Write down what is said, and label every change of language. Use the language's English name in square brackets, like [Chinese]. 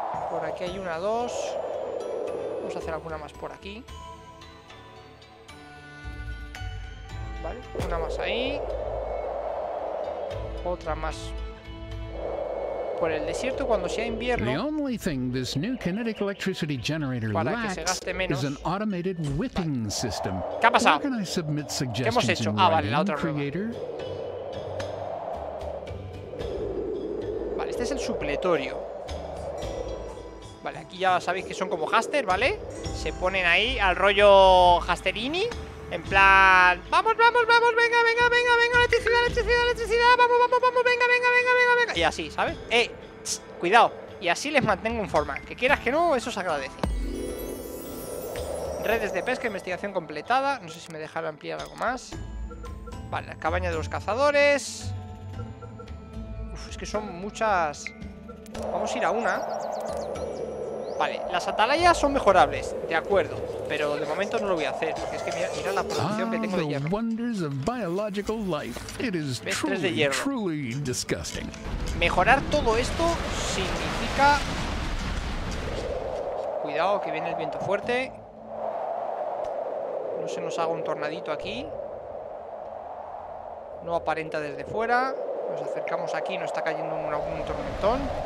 [Spanish] Por aquí hay una, dos. Vamos a hacer alguna más por aquí. Vale, una más ahí. Otra más. Por el desierto cuando sea invierno. [English] The only thing this new kinetic electricity generator lacks is an automated whipping system. [Spanish] ¿Qué ha pasado? ¿Qué hemos hecho? Ah, vale, la otra creator. Vale, este es el supletorio. Vale, aquí ya sabéis que son como haster, ¿vale? Se ponen ahí al rollo hasterini. En plan, vamos, vamos, vamos, venga, venga, venga, venga, electricidad, electricidad, electricidad, vamos, vamos, vamos, venga, venga, venga, venga, venga. Y así, ¿sabes? Cuidado. Y así les mantengo en forma. Que quieras que no, eso se agradece. Redes de pesca, investigación completada. No sé si me dejará ampliar algo más. Vale, la cabaña de los cazadores. Uf, es que son muchas. Vamos a ir a una. Vale, las atalayas son mejorables, de acuerdo. Pero de momento no lo voy a hacer, porque es que mira la producción que tengo de hierro. [English] Wonders of biological life. It is truly, truly disgusting. [Spanish] Mejorar todo esto significa... Cuidado, que viene el viento fuerte. No se nos haga un tornadito aquí. No aparenta desde fuera. Nos acercamos aquí, no está cayendo un tormentón.